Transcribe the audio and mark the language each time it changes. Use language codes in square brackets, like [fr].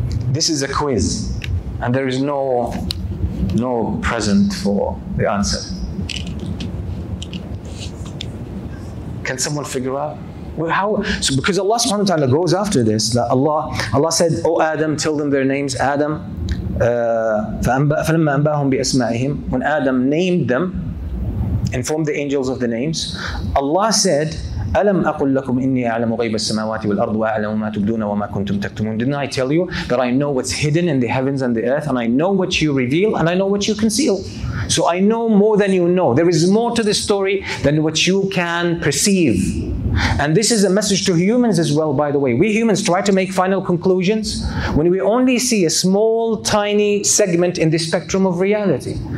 [en] This is a quiz, and there is no present for the answer. Can someone figure out? Well, how? So because Allah subhanahu wa ta'ala goes after this, that Allah said, O Adam, tell them their names, Adam. [ar] فَلَمَّا أَنْبَاهُمْ بِأَسْمَائِهِمْ. [en] When Adam named them, informed the angels of the names, Allah said, [ar] أَلَمْ أَقُلْ لَكُمْ إِنِّي أَعْلَمُ غَيْبَ السَّمَاوَاتِ وَالْأَرْضِ وَأَعْلَمُ مَا تُبْدُونَ وَمَا كُنْتُمْ تَكْتُمُونَ. [en] Didn't I tell you that I know what's hidden in the heavens and the earth, and I know what you reveal, and I know what you conceal. So I know more than you know. There is more to this story than what you can perceive. And this is a message to humans as well, by the way. We humans try to make final conclusions when we only see a small, tiny segment in the spectrum of reality.